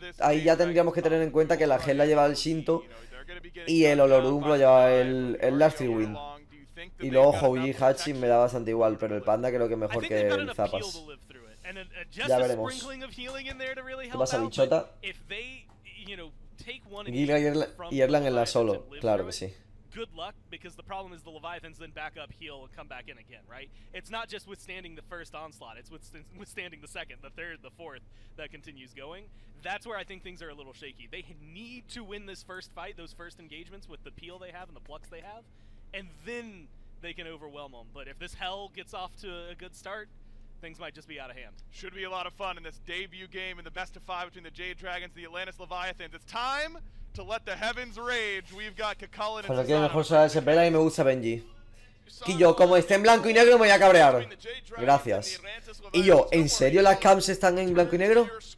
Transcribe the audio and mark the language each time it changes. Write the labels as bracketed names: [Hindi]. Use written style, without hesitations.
[Spanish] Ahí ya tendríamos que tener en cuenta que la Hel la lleva el Shinto y el Olorun lo lleva el Last Wind. Y luego Hoji Hachi me da bastante igual, pero el Panda creo que es mejor que el Zapas. Ya veremos. ¿Qué pasa, bichota? Gilga y Erlang en la solo, claro que sí. [English] Good luck, because the problem is the Leviathans then back up, heal, and come back in again, right? It's not just withstanding the first onslaught, it's withstanding the second, the third, the fourth that continues going. That's where I think things are a little shaky. They need to win this first fight, those first engagements with the peel they have and the plucks they have, and then they can overwhelm them. But if this hell gets off to a good start, things might just be out of hand. Should be a lot of fun in this debut game in the best of five between the Jade Dragons and the Atlantis Leviathans. It's time to let the heavens rage. We've got Kakullin and Zidane. [Spanish] Mejor se va a desesperar y me gusta Benji. Y yo, como esté en blanco y negro, me voy a cabrear. Gracias. Y yo, ¿en serio las camps están en blanco y negro?